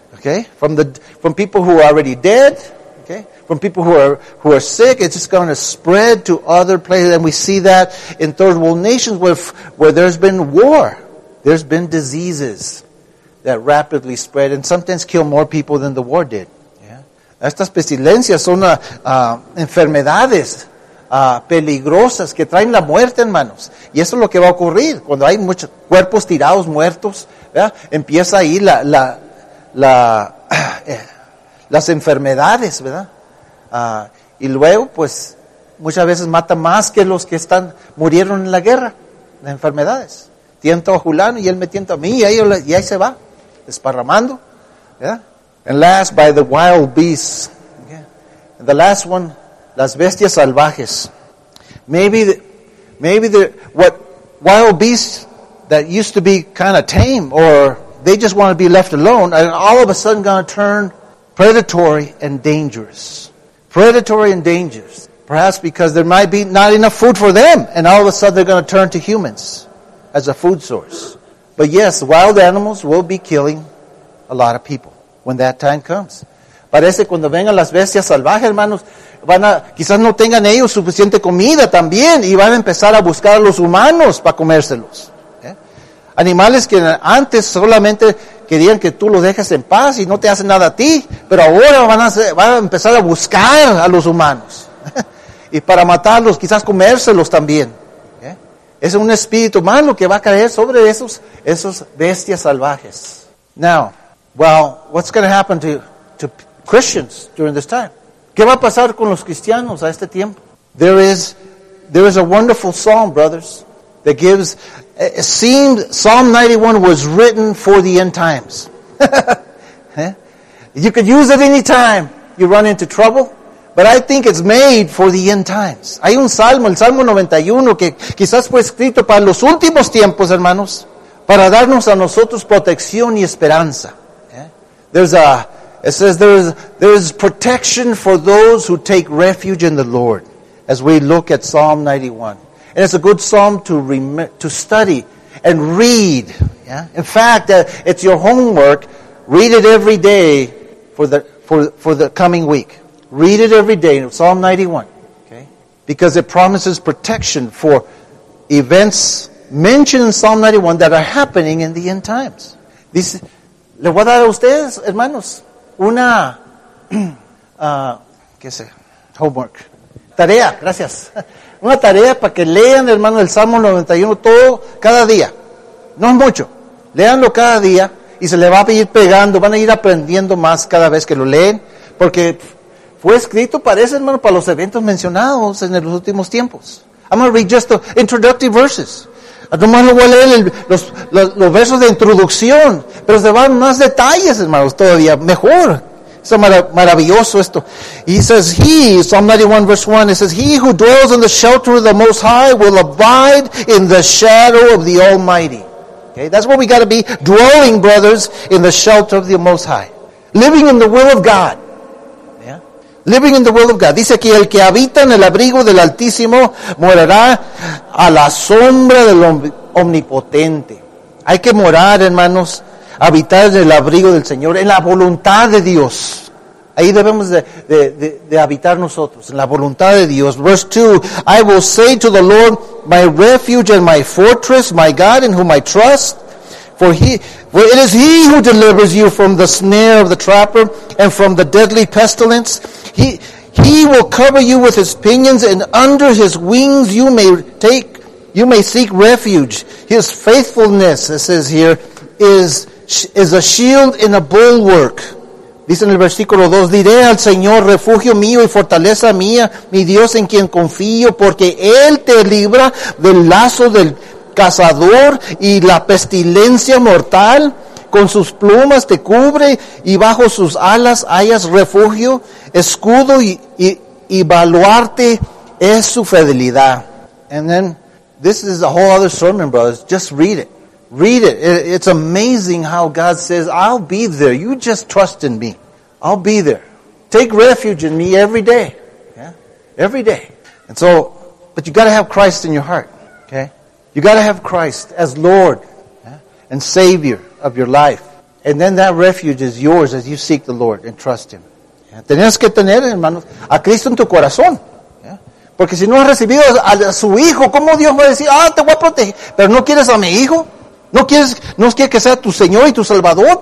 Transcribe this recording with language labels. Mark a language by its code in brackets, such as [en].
[en] Okay, from people who are already dead. Okay, from people who are sick. It's just going to spread to other places. And we see that in third world nations where there's been war. There's been diseases that rapidly spread and sometimes kill more people than the war did. Yeah. [es] Estas pestilencias son enfermedades peligrosas que traen la muerte, hermanos. Y eso es lo que va a ocurrir cuando hay muchos cuerpos tirados, muertos. ¿Verdad? Empieza ahí las enfermedades, ¿verdad? Y luego, pues, muchas veces mata más que los que están murieron en la guerra, las enfermedades. Tiento a Julano y él me tiento a mí y ahí se va, desparramando. [en] Yeah. And last, by the wild beasts. Yeah. The last one, [es] las bestias salvajes. [en] Maybe what wild beasts that used to be kind of tame or they just want to be left alone are all of a sudden going to turn predatory and dangerous. Predatory and dangerous. Perhaps because there might be not enough food for them and all of a sudden they're going to turn to humans as a food source. But yes, wild animals will be killing a lot of people when that time comes. [es] Parece cuando vengan las bestias salvajes, hermanos, van a quizás no tengan ellos suficiente comida también y van a empezar a buscar a los humanos para comérselos. ¿Eh? Animales que antes solamente querían que tú los dejes en paz y no te hacen nada a ti, pero ahora van a empezar a buscar a los humanos y para matarlos, quizás comérselos también. Es un espíritu malo que va a caer sobre esos bestias salvajes. [en] Now, well, what's going to happen to Christians during this time? [es] ¿Qué va a pasar con los cristianos a este tiempo? [en] There is a wonderful psalm, brothers, that gives, it seems Psalm 91 was written for the end times. You could use it any time you run into trouble. But I think it's made for the end times. Hay un salmo, el Salmo 91, que quizás fue escrito para los últimos tiempos, hermanos, para darnos a nosotros protección y esperanza. It says there's protection for those who take refuge in the Lord, as we look at Psalm 91. And it's a good psalm to study and read. Yeah? In fact, it's your homework. Read it every day for the coming week. Read it every day, Psalm 91, okay? Because it promises protection for events mentioned in Psalm 91 that are happening in the end times. [es] Dice, le voy a dar a ustedes, hermanos, una, ¿qué sé? Homework. Tarea, gracias. Una tarea para que lean, hermano, el Salmo 91 todo, cada día. No es mucho. Leanlo cada día y se le va a ir pegando, van a ir aprendiendo más cada vez que lo leen, porque fue escrito, parece, hermano, para los eventos mencionados en los últimos tiempos. [en] I'm going to read just the introductory verses. [es] Nomás lo voy a leer los versos de introducción. Pero se van más detalles, hermanos, todavía mejor. Es maravilloso esto. [en] He says, he, Psalm 91 verse 1, it says, he who dwells in the shelter of the Most High will abide in the shadow of the Almighty. Okay, that's what we got to be, dwelling, brothers, in the shelter of the Most High. Living in the will of God. Living in the will of God. [es] Dice aquí, el que habita en el abrigo del Altísimo morará a la sombra del Omnipotente. Hay que morar, hermanos, habitar en el abrigo del Señor, en la voluntad de Dios. Ahí debemos de habitar nosotros, en la voluntad de Dios. [en] Verse 2, I will say to the Lord, my refuge and my fortress, my God in whom I trust. For it is he who delivers you from the snare of the trapper and from the deadly pestilence. He will cover you with his pinions, and under his wings you may seek refuge. His faithfulness, it says here, is a shield and a bulwark. [es] Dice en el versículo 2, diré al Señor, refugio mío y fortaleza mía, mi Dios en quien confío, porque Él te libra del lazo del cazador y la pestilencia mortal. con sus plumas te cubre y bajo sus alas hallas refugio, escudo y baluarte es su fidelidad. [en] And then, this is a whole other sermon, brothers. Just read it. Read it. It's amazing how God says, I'll be there. You just trust in me. I'll be there. Take refuge in me every day. Yeah? Every day. And so, but you got to have Christ in your heart. Okay? You got to have Christ as Lord and Savior of your life. And then that refuge is yours as you seek the Lord and trust Him. [es] Tienes que tener, hermanos, a Cristo en tu corazón. Porque si no has recibido a su Hijo, ¿cómo Dios va a decir, ah, te voy a proteger? Pero no quieres a mi Hijo. No quieres que sea tu Señor y tu Salvador.